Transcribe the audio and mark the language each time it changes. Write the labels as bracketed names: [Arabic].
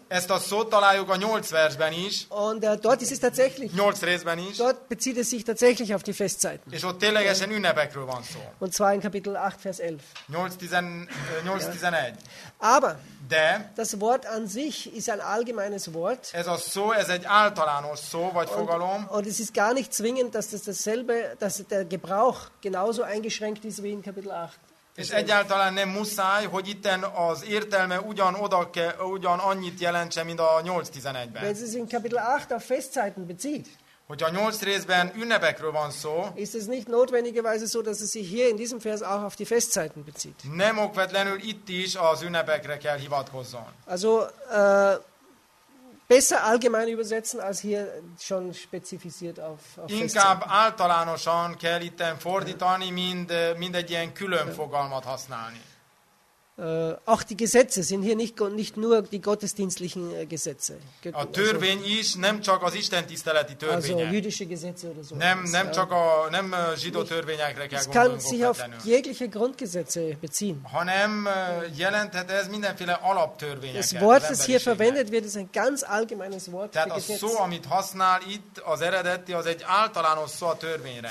[Hungarian] Ezt a szót találjuk a 8 versben is. [German] Und dort ist es tatsächlich. [Hungarian] 8 részben is. [German] Dort bezieht es sich tatsächlich auf die Festzeiten. [Hungarian] És ott ténylegesen ünnepekről van szó. [German] Und zwar in Kapitel 8, Vers 11. [Hungarian] 8:11. [German] Aber [Hungarian] de, [German] das Wort an sich ist ein allgemeines Wort. [Hungarian] Ez a szó, ez egy általános szó, vagy fogalom. [German] Und es ist gar nicht zwingend, dass das dasselbe, dass der Gebrauch genauso eingeschränkt ist wie in Kapitel 8. [Hungarian] És egyáltalán nem muszáj, hogy itten az értelme ugyan annyit jelentse, mint a 8:11-ben. [German] Wenn es in Kapitel 8 auf Festzeiten bezieht. [Hungarian] Hogy a 8 részben ünnepekről van szó. [German] Ist es nicht notwendigerweise so, dass es sich hier in diesem Vers auch auf die Festzeiten bezieht? [Hungarian] Nem okvetlenül itt is az ünnepekre kell hivatkozzon. [German] Also besser allgemein übersetzen als hier schon spezifiziert auf Festzeiten. [Hungarian] Inkább általánosan kell itten fordítani, mind egy ilyen külön fogalmat használni. [German] Auch die Gesetze sind hier nicht nur die gottesdienstlichen Gesetze. [Hungarian] A törvény is nem csak az istentiszteleti törvények. [German] Also jüdische Gesetze oder so. [Hungarian] Nem zsidó törvényekre kell gondolni. [German] Es kann sich auf jegliche Grundgesetze beziehen. [Hungarian] Hanem jelenthet ez mindenféle alaptörvényeket. [German] Das Wort, das hier verwendet wird, ist ein ganz allgemeines Wort für Gesetz. [Hungarian] Tehát a szó, amit használ itt, az eredeti, az egy általános szó a törvényre.